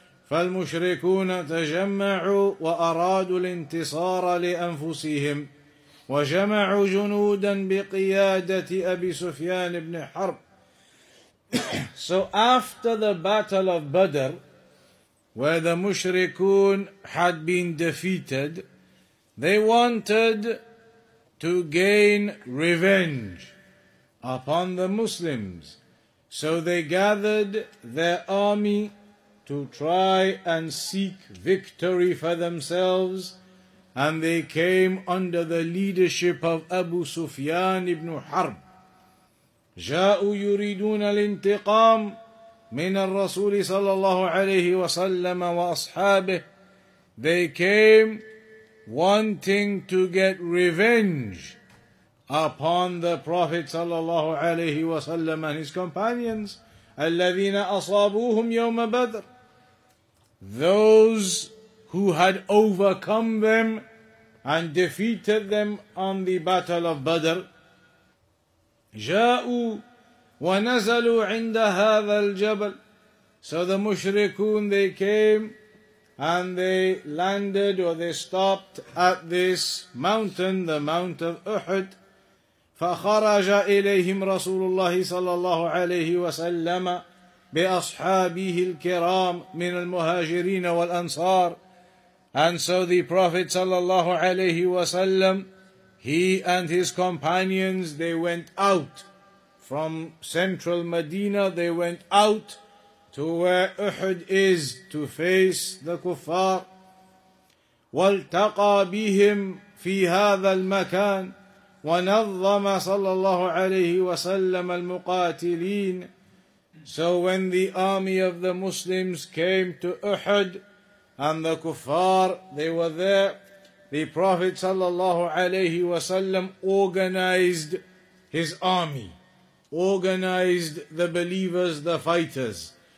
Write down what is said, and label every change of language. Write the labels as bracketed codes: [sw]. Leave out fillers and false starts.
[ar] فَالْمُشْرِكُونَ تَجَمَّعُوا وَأَرَادُوا الْإِنْتِصَارَ لِأَنفُسِهِمْ وَجَمَعُوا جُنُودًا بِقِيَادَةِ أَبِي سُفْيَانِ بْنِ حَرْبِ. [en] So after the battle of Badr, where the mushrikun had been defeated, they wanted to gain revenge upon the Muslims. So they gathered their army to try and seek victory for themselves, and they came under the leadership of Abu Sufyan ibn Harb. [ar] جاءوا يريدون الانتقام من الرسول صلى الله عليه وسلم وأصحابه. [en] They came wanting to get revenge upon the Prophet sallallahu alayhi wa sallam and his companions. [ar] الذين أصابوهم يوم بدر, [en] those who had overcome them and defeated them on the battle of Badr. [ar] جاءوا ونزلوا عند هذا الجبل. [en] So the mushrikun, they came and they landed, or they stopped at this mountain, the Mount of Uhud. [ar] فَخَرَجَ إِلَيْهِمْ رَسُولُ اللَّهِ صَلَى اللَّهُ عَلَيْهِ وَسَلَّمَ بِأَصْحَابِهِ الْكِرَامِ مِنَ الْمُهَاجِرِينَ وَالْأَنصَارِ. [en] And so the Prophet صلى الله عليه وسلم, he and his companions, they went out from central Medina, they went out to where Uhud is to face the kuffar. [ar] والتقى بهم في هذا المكان ونظم صلى الله عليه وسلم المقاتلين. [en] So when the army of the Muslims came to Uhud and the kuffar, they were there, the Prophet sallallahu alayhi wasallam organized his army, organized the believers, the fighters.